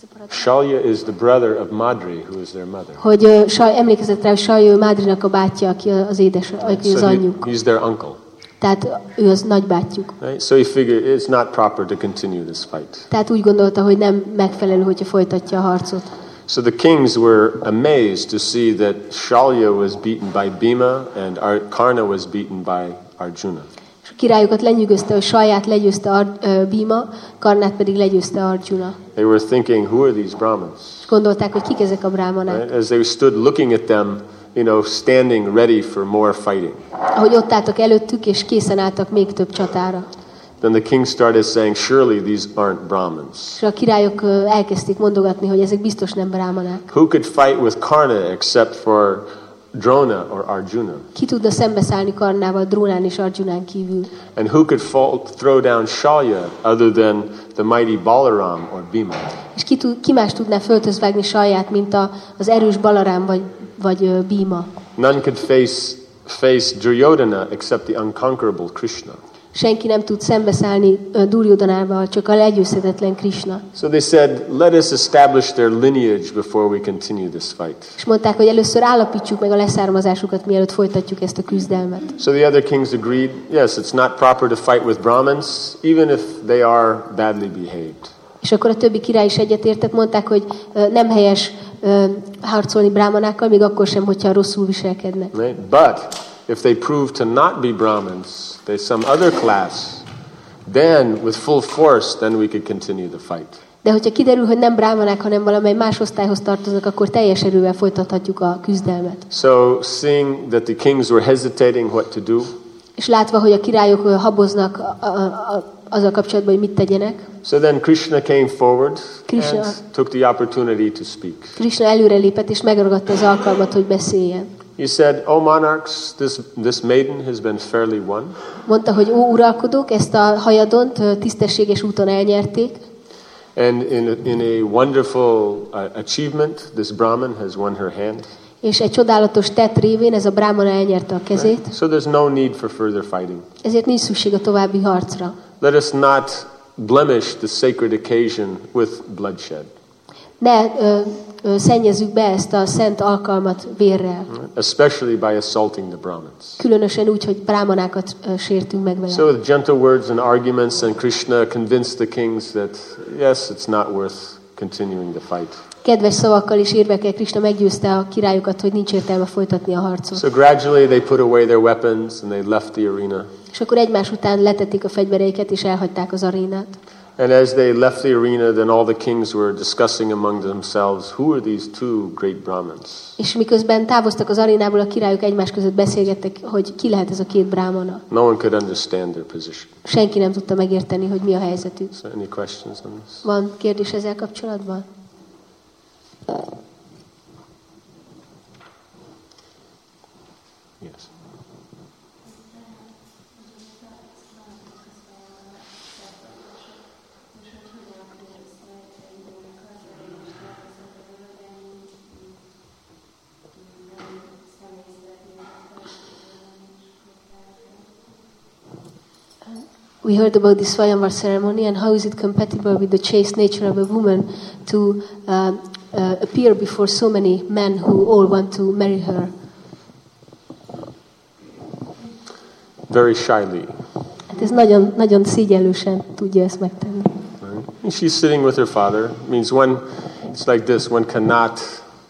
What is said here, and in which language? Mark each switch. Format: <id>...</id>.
<en>Shalya is the brother of Madri, who is their mother.</en> <hu>Hogy emlékezett rá, hogy Shalya Madrinak a bátyja, aki az édes, aki az anyjuk.</hu> <en>He's their uncle.</en> <hu>Tehát ő az nagybátyjuk.</hu> <en>Right? So he figured it's not proper to continue this fight.</en> <hu>Tehát úgy gondolta, hogy nem megfelelő, hogyha folytatja a harcot.</hu> <en>So the kings were amazed to see that Shalya was beaten by Bhima and Karna was beaten by Arjuna.</en> <hu>És a királyokat lenyűgözte, hogy Shalyát legyőzte Bhima, Karnát pedig legyőzte Arjuna.</hu> <en>They were thinking, who are these Brahmins?</en> <hu>És gondolták, hogy kik ezek a brahmanák.</hu> <en>Right? As they stood looking at them, you know, standing ready for more fighting.</en> <hu>Ahogy ott álltak előttük és készen álltak még több csatára.</hu> <en>Then the king started saying, surely these aren't Brahmins.</en> <hu>És a királyok elkezdték mondogatni, hogy ezek biztos nem brahmanák.</hu> <en>Who could fight with Karna except for Drona or Arjuna?</en> <hu>Ki tudna szembeszállni Karnával, Drónán és Arjunán kívül?</hu> <en>And who could throw down Shalya other than the mighty Balaram or Bhima?</en> <hu>És ki más tudná föltözvágni Shalyát, mint az erős Balaram vagy Bhima?</hu> <en>None could face Duryodhana except the unconquerable Krishna.</en> <hu>Senki nem tud szembeszállni Duryodhanával, csak a legyőzhetetlen Krishna.</hu> <en>So they said, let us establish their lineage before we continue this fight.</en> <hu>És mondták, hogy először állapítsuk meg a leszármazásukat, mielőtt folytatjuk ezt a küzdelmet.</hu> <en>So the other kings agreed, yes, it's not proper to fight with Brahmins, even if they are badly behaved.</en> <hu>És akkor a többi király is egyetértett, mondták, hogy nem helyes harcolni brahmanákkal, még akkor sem, hogyha rosszul viselkednek.</hu> <en>Right? But if they prove to not be Brahmins, they some other class, then with full force, then we could continue the fight.</en> <hu>De hogyha kiderül, hogy nem brahmanák, hanem valamely más osztályhoz tartoznak, akkor teljes erővel folytathatjuk a küzdelmet.</hu> <en>So seeing that the kings were hesitating what to do,</en> <hu>és látva, hogy a királyok haboznak azzal kapcsolatban, hogy mit tegyenek,</hu> <en>so then Krishna came forward, Krishna, and took the opportunity to speak.</en> <hu>Krishna előrelépett és megragadta az alkalmat, hogy beszéljen.</hu> <en>He said, "O monarchs, this maiden has been fairly won."</en> <hu>Mondta, hogy ó uralkodók, ezt a hajadont tisztességes úton elnyerték.</hu> <en>And in a wonderful achievement, this Brahmin has won her hand.</en> <hu>És egy csodálatos tett révén ez a Brahmana elnyerte a kezét.</hu> <en>Right? So there's no need for further fighting.</en> <hu>Ezért nincs szükség a további harcra.</hu> <en>Let us not blemish the sacred occasion with bloodshed.</en> <hu>Ne szennyezzük be ezt a szent alkalmat vérrel.</hu> <en>Especially by assaulting the Brahmins.</en> <hu>Különösen úgy, hogy brahmanákat sértünk meg vele.</hu> <en>So with gentle words and arguments, and Krishna convinced the kings that yes, it's not worth continuing the fight.</en> <hu>Kedves szavakkal és érvekkel Krishna meggyőzte a királyokat, hogy nincs értelme folytatni a harcot.</hu> <en>So gradually they put away their weapons and they left the arena.</en> <hu>És akkor egymás után letették a fegyvereiket és elhagyták az arénát.</hu> <en>And as they left the arena, then all the kings were discussing among themselves, who are these two great Brahmins?</en> <hu>És miközben távoztak az arénából, a királyok egymás között beszélgettek, hogy ki lehet ez a két brahmana.</hu> <en>No one could understand their position.</en> <hu>Senki nem tudta megérteni, hogy mi a helyzetük.</hu> <en>So any questions on this?</en> <hu>Van kérdés ezzel kapcsolatban?</hu> <en>Yes. We heard about the Swayamvar ceremony, and how is it compatible with the chaste nature of a woman to appear before so many men who all want to marry her? Very shyly.</en> <hu>Hát ez nagyon, nagyon szégyellősen tudja ezt megtenni.</hu> <en>And she's sitting with her father. It means one, it's like this, one cannot...</en>